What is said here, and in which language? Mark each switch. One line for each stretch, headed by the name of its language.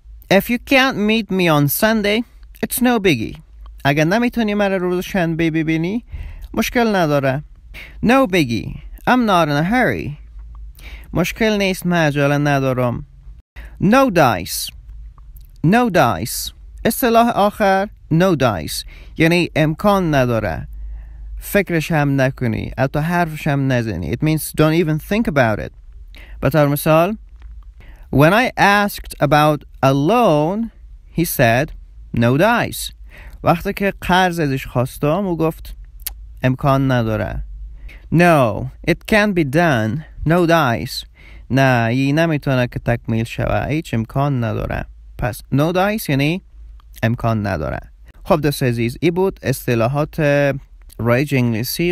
English: If you can't meet me on Sunday, it's no biggie.
Persian: اگر نمیتونی مرا روز شنبه ببینی، مشکل نداره.
English: No biggie. I'm not in a hurry.
Persian: مشکل نیست. من عجله ندارم.
English: No dice. No dice.
Persian: اصطلاح آخر. No dice. یعنی امکان نداره. فکرش هم نکنی. حتی حرفش هم نزنی.
English: It means don't even think about it.
Persian: به طور مثال.
English: When I asked about a loan, he said, no dice.
Persian: وقتی که قرض ازش خواستم او گفت امکان نداره.
English: No, it can't be done. No dice.
Persian: نه، یه نمیتونه که تکمیل شوه. هیچ امکان نداره. پس no dice یعنی امکان نداره. خب دوست عزیز، ای بود اصطلاحات رایج انگلیسی.